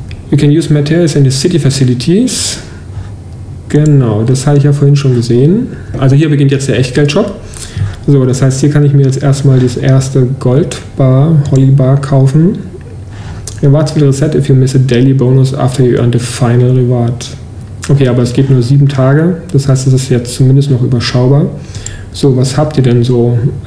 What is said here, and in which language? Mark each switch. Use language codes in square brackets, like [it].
[en] You can use materials in the city facilities. [de] Genau, das habe ich ja vorhin schon gesehen. Also hier beginnt jetzt der Echtgeldshop. So, das heißt, hier kann ich mir jetzt erstmal das erste Goldbar, Hollybar, kaufen. [en] Rewards will reset if you miss a daily bonus after you earn the final reward. [de] Okay, aber es geht nur 7 Tage. Das heißt, es ist jetzt zumindest noch überschaubar. So, was habt ihr denn so?